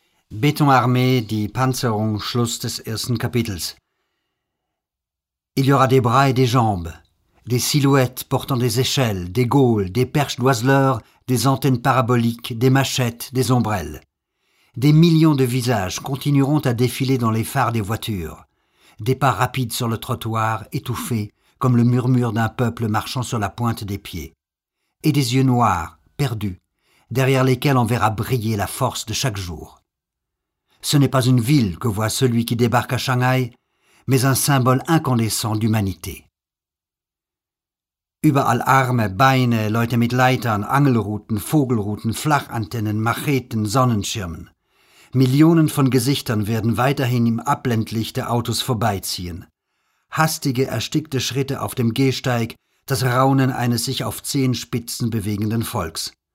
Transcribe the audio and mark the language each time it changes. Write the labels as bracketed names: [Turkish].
[German] Betonarmee, die Panzerung, Schluss des ersten Kapitels. [French] Il y aura des bras et des jambes, des silhouettes portant des échelles, des gaules, des perches d'oiseleurs, des antennes paraboliques, des machettes, des ombrelles. Des millions de visages continueront à défiler dans les phares des voitures. Des pas rapides sur le trottoir, étouffés, comme le murmure d'un peuple marchant sur la pointe des pieds. Et des yeux noirs, perdus, derrière lesquels on verra briller la force de chaque jour. Ce n'est pas une ville que voit celui qui débarque à Shanghai, mais un symbole incandescent d'humanité. [German] Überall Arme, Beine, Leute mit Leitern, Angelruten, Vogelruten, Flachantennen, Macheten, Sonnenschirmen. Millionen von Gesichtern werden weiterhin im Abblendlicht der Autos vorbeiziehen. Hastige, erstickte Schritte auf dem Gehsteig, das Raunen eines sich auf Zehenspitzen bewegenden Volks.